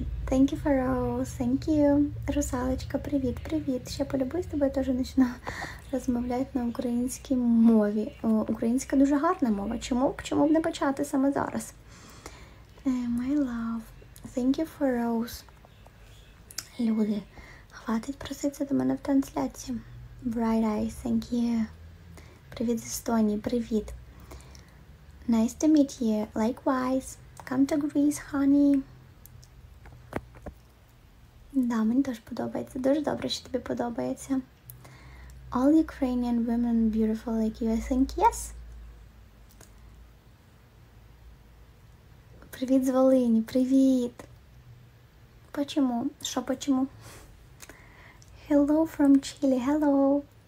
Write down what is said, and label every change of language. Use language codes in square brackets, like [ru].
[en] Thank you for Rose, thank you. [uk] Русалочка, привіт, привіт. Ще полюбуй, з тобою теж почну розмовляти на українській мові. Українська дуже гарна мова. Чому б не почати саме зараз? [en] My love, thank you for Rose. [uk] Люди, хватить проситися до мене в трансляції. [en] Bright eyes, thank you. [uk] Привіт з Естонії, привіт. [en] Nice to meet you. Likewise. Come to Greece, honey. [uk] Да, мені теж подобається. Дуже добре, що тобі подобається. [en] All Ukrainian women beautiful like you, I think, yes. [uk] Привіт з Волині, привіт. Почому? Що почому? [en] Hello from Chile, hello.